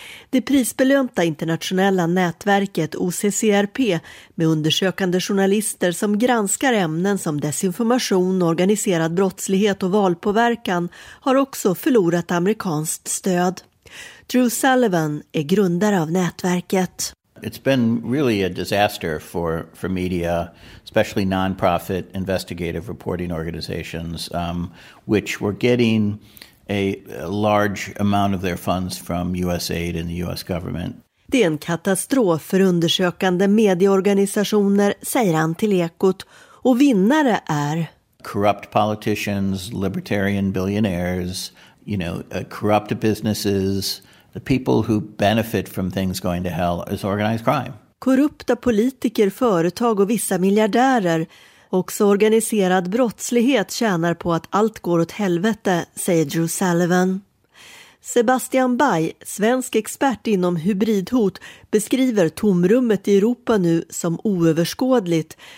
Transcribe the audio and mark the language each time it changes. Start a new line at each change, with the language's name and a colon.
Swedish: Det prisbelönta internationella nätverket OCCRP med undersökande journalister som granskar ämnen som desinformation, organiserad brottslighet och valpåverkan har också förlorat amerikanskt stöd. Drew Sullivan är grundare av nätverket.
English: It's been really a disaster for media, especially non-profit investigative reporting organizations, which were getting a large amount of their funds from USAID and the US government.
Swedish: Det är en katastrof för undersökande medieorganisationer, säger han till Ekot, och vinnare är
English: corrupt politicians, libertarian billionaires, you know, corrupt businesses, the people who benefit from things going to hell is organized crime.
Swedish: Korrupta politiker, företag och vissa miljardärer. Också organiserad brottslighet tjänar på att allt går åt helvete, säger Drew Sullivan. Sebastian Bay, svensk expert inom hybridhot, beskriver tomrummet i Europa nu som oöverskådligt.